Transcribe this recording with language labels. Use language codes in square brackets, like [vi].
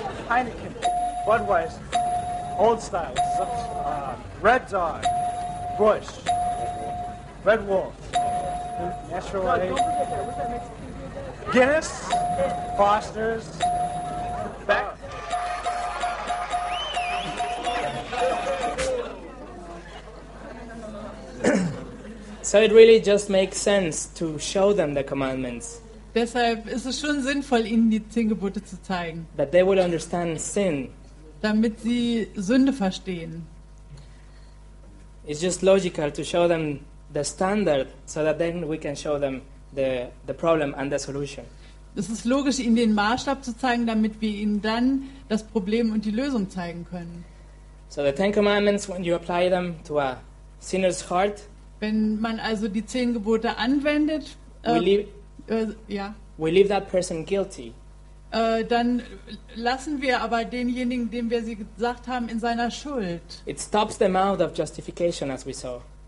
[en] Heineken, Budweiser, Old Style, Red Dog, Bush, Red Wolf, Natural Light, Guinness, Foster's, Beck. So it really just makes sense to show them the commandments. [de] Deshalb ist es schon sinnvoll, ihnen die 10 Gebote zu zeigen. [en] That they will understand sin. [de] Damit sie Sünde verstehen. [en] It's just logical to show them the standard so that then we can show them the problem and the solution. [de] Es ist logisch, ihnen den Maßstab zu zeigen, damit wir ihnen dann das Problem und die Lösung zeigen können. [en] So the Ten Commandments, when you apply them to a sinner's heart, [de] wenn man also die Zehn Gebote anwendet, [en] we leave that person guilty. [de] Dann lassen wir aber denjenigen, dem wir sie gesagt haben, in seiner Schuld. [en] It stops them out of justification, as we saw.